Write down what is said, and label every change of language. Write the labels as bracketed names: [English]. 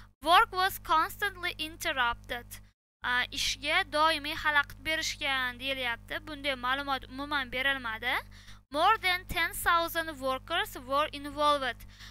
[English] Work was constantly interrupted. [Uzbek] Ishga doimiy xalaqit berishgan deyilyapti. Bunday ma'lumot umuman berilmadi. [English] More than 10,000 workers were involved.